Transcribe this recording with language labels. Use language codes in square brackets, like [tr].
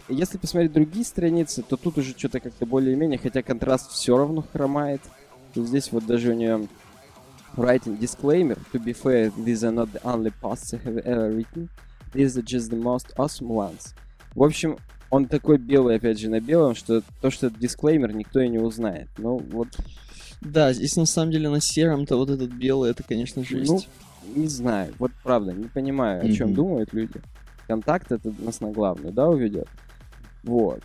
[ru] Если посмотреть другие страницы, то тут уже что-то как-то более-менее, хотя контраст все равно хромает. И здесь вот даже у нее [en] writing disclaimer. To be fair, these are not the only posts I have ever written. These are just the most awesome ones. [ru] В общем, он такой белый, опять же, на белом, что то, что это дисклеймер, никто и не узнает. Ну, вот. Да, здесь на самом деле на сером-то вот этот белый, это, конечно, жесть. Ну, не знаю, вот правда, не понимаю, о чем думают люди. Контакт это нас на главную, да, уведет. Вот.